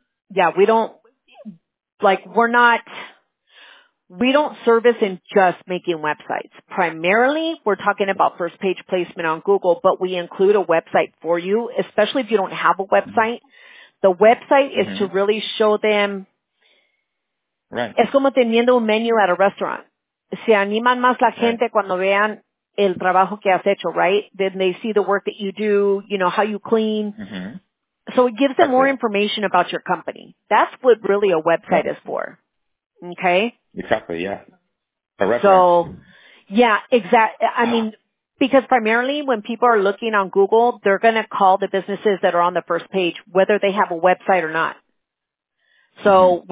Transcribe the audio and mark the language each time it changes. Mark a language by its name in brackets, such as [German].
[English] Yeah, we don't, like, we don't service in just making websites. Primarily, we're talking about first page placement on Google, but we include a website for you, especially if you don't have a website. The website is to really show them. Right. [Spanish] Es como teniendo un menú [English] at a restaurant. [Spanish] Se animan más la gente cuando vean el trabajo que has hecho, [English] right? Then they see the work that you do, you know, how you clean. So it gives them more information about your company. That's what really a website is for. Okay? Exactly, yeah. A reference. So, yeah, exactly. I mean, Because primarily when people are looking on Google, they're going to call the businesses that are on the first page, whether they have a website or not. So mm-hmm.